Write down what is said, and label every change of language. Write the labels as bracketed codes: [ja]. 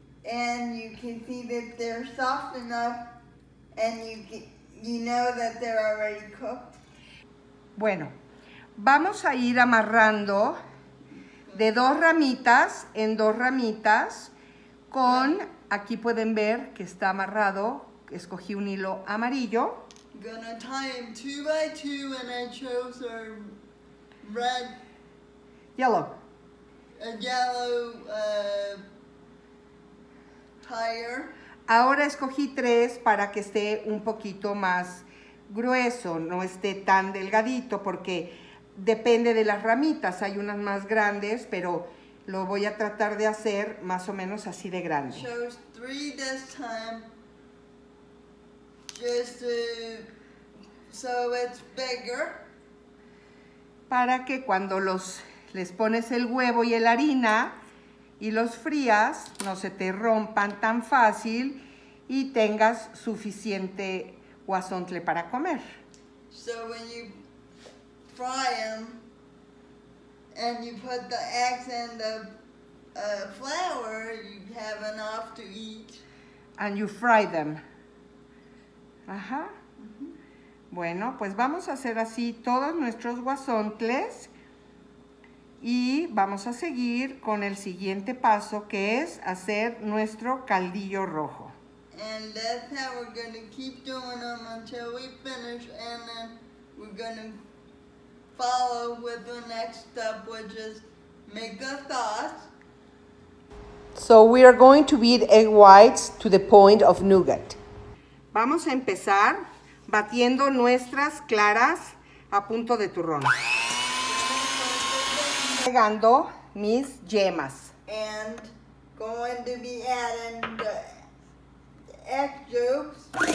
[en] And you can see that they're soft enough. And you know that they're already cooked. [es] Bueno, vamos a ir amarrando de dos ramitas en dos ramitas con, aquí pueden ver que está amarrado, escogí un hilo amarillo. [en] Gonna tie them two by two and I chose a red. Yellow. A yellow tire. [es] Ahora escogí tres para que esté un poquito más grueso, no esté tan delgadito, porque depende de las ramitas, hay unas más grandes, pero lo voy a tratar de hacer más o menos así de grande. [en] Chose three this time, just to, so it's bigger. [es] Para que cuando les pones el huevo y la harina y los frías, no se te rompan tan fácil y tengas suficiente guasontle para comer. [en] So when you fry them and you put the eggs and the flour, you have enough to eat. And you fry them. Ajá. Mm-hmm. [es] Bueno, pues vamos a hacer así todos nuestros guasontles y vamos a seguir con el siguiente paso, que es hacer nuestro caldillo rojo. [en] And that's how we're going to keep doing them until we finish, and then we're going to follow with the next step, which is make the sauce. So we are going to beat egg whites to the point of nougat. [es] Vamos a empezar batiendo nuestras claras a punto de turrón. Agregando mis yemas. [en] And going to be adding the egg yolks.